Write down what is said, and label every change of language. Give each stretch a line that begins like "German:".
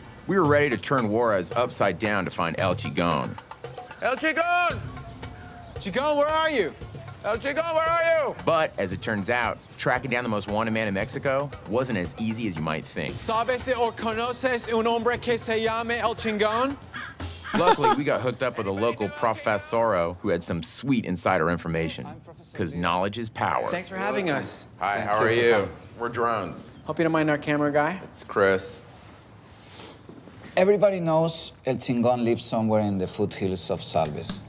English: We were ready to turn Juarez upside down to find El Chingon. El Chingon! Chingon, where are you? El Chingon, where are you? But as it turns out, tracking down the most wanted man in Mexico wasn't as easy as you might think.
Spanish: ¿Sabes o conoces un hombre que se llame El Chingon?
English: Luckily, we got hooked up with a local professoro who had some sweet insider information. Because knowledge is power. Thanks for having us. Hi, how are you? We're drones. Hope you don't mind our camera guy. It's Chris. Everybody knows El Chingon lives somewhere in the foothills of Salves.